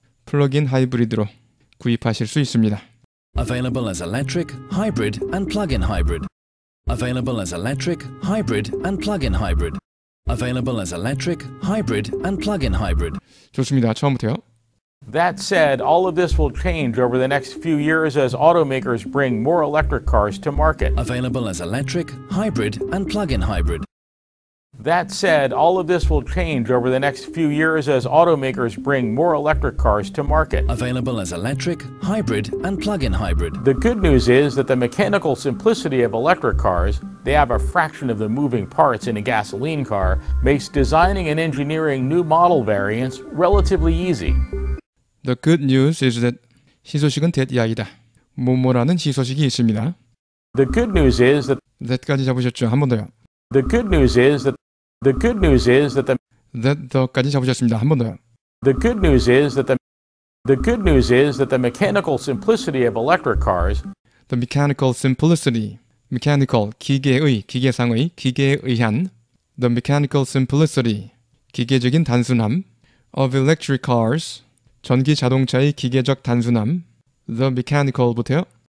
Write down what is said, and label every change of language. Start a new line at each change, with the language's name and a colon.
Korean: 플러그인 하이브리드로 구입하실 수 있습니다.
English: Available as electric, hybrid, and plug-in hybrid. Available as electric, hybrid, and plug-in hybrid. Available as electric, hybrid, and plug-in hybrid.
Korean: 좋습니다. 처음부터요.
English: That said, all of this will change over the next few years as automakers bring more electric cars to market. Available as electric, hybrid, and plug-in hybrid. That said, all of this will change over the next few years as automakers bring more electric cars to market. Available as electric, hybrid, and plug-in hybrid. The good news is that the mechanical simplicity of electric cars, they have a fraction of the moving parts in a gasoline car, makes designing and engineering new model variants relatively easy. The good news is that
Korean: 희소식은 대야이다. 뭐뭐라는 희소식이 있습니다.
English: The good news is that
Korean: that까지 잡으셨죠? 한 번 더요.
English: The good news is that the good news is that the
Korean: that 더까지 잡으셨습니다. 한 번 더요.
English: The good news is that the good news is that the mechanical simplicity of electric cars the mechanical simplicity
Korean: mechanical 기계의 기계상의 기계에 의한 the mechanical simplicity 기계적인 단순함
English: of electric cars
Korean: 전기 자동차의 기계적 단순함 the mechanical부터요.